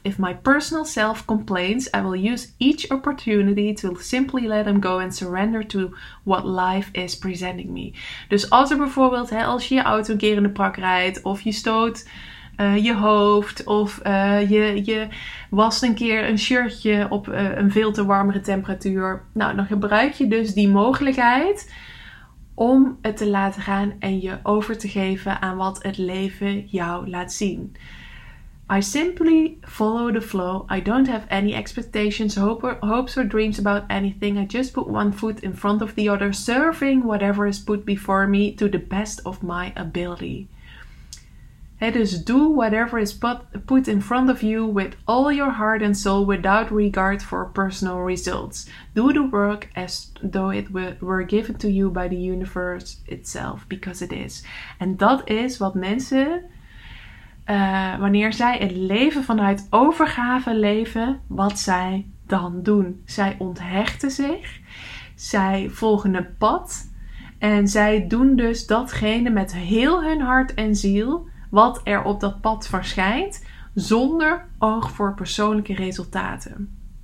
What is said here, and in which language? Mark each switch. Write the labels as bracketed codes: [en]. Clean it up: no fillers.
[en] If my personal self complains, I will use each opportunity to simply let them go and surrender to what life is presenting me. [nl] Dus als er bijvoorbeeld, als je je auto een keer in de prak rijdt, of je stoot je hoofd, of je wast een keer een shirtje op een veel te warmere temperatuur. Nou, dan gebruik je dus die mogelijkheid om het te laten gaan en je over te geven aan wat het leven jou laat zien. [en] I simply follow the flow. I don't have any expectations, hopes or dreams about anything. I just put one foot in front of the other, serving whatever is put before me to the best of my ability. [nl] Dus [en] do whatever is put in front of you with all your heart and soul without regard for personal results. Do the work as though it were given to you by the universe itself, because it is. [nl] En dat is wat mensen, wanneer zij het leven vanuit overgave leven, wat zij dan doen. Zij onthechten zich, zij volgen een pad en zij doen dus datgene met heel hun hart en ziel wat er op dat pad verschijnt, zonder oog voor persoonlijke resultaten.